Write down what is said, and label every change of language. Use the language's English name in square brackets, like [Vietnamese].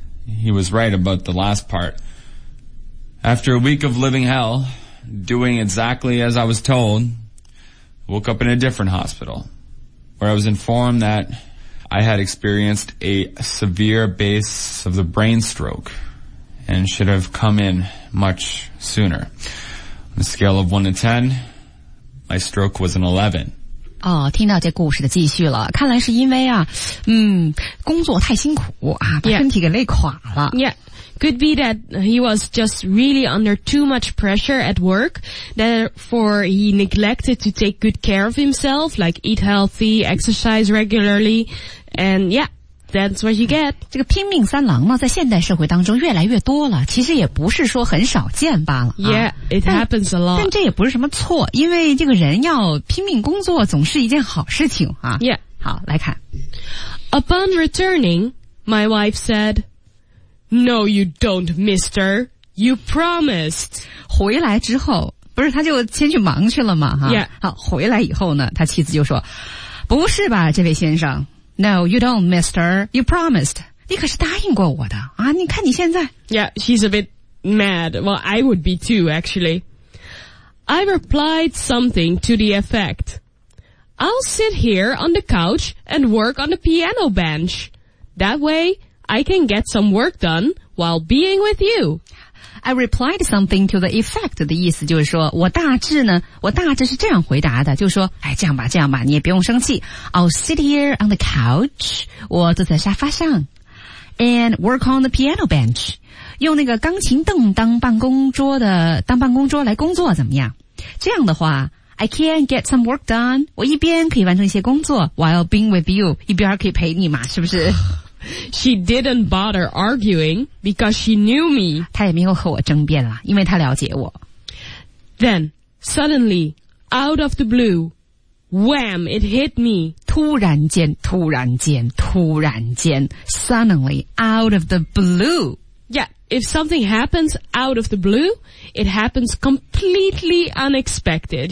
[English] He was right about the last part. After a week of living hell, doing exactly as I was told, I woke up in a different hospital, where I was informed that I had experienced a severe case of the brain stroke and should have come in much sooner. On a scale of 1 to 10, my stroke was an 11. [Chinese] 哦，听到这故事的继续了，看来是因为啊，工作太辛苦啊，把身体给累垮了。 [English] Yeah. Could be that he was just really under too much pressure at work, therefore he neglected to take good care of himself, like eat healthy, exercise regularly, and yeah. That's what you get. [Chinese] 这个拼命三郎呢，在现代社会当中越来越多了，其实也不是说很少见罢了。 [English] Yeah, it happens a lot. [Chinese] 但这也不是什么错，因为这个人要拼命工作总是一件好事情啊。 [English] Yeah. [Chinese] 好，来看。 [English] Upon returning, my wife said, No, you don't, mister. You promised. [Chinese] 回来之后，不是他就先去忙去了嘛，哈。 [English] Yeah. [Chinese] 好，回来以后呢，他妻子就说，不是吧，这位先生。 [English] No, you don't, mister. You promised. [Chinese] 你可是答应过我的啊！你看你现在。 [English] Yeah, she's a bit mad. Well, I would be too, actually. I replied something to the effect. I'll sit here on the couch and work on the piano bench. That way, I can get some work done while being with you. I replied something to the effect [Chinese] 的意思就是说我大致是这样回答的就是说哎，这样吧你也不用生气 [English] I'll sit here on the couch [Chinese] 我坐在沙发上 [English] and work on the piano bench [Chinese] 用那个钢琴凳当办公桌来工作怎么样这样的话 [English] I can get some work done [Chinese] 我一边可以完成一些工作 [English] while being with you [Chinese] 一边可以陪你嘛是不是 [English] She didn't bother arguing because she knew me. [Chinese] 她也没有和我争辩了，因为她了解我。 [English] Then, suddenly, out of the blue, wham, it hit me. [Chinese] 突然间, [English] suddenly, out of the blue. Yeah, if something happens out of the blue, it happens completely unexpected.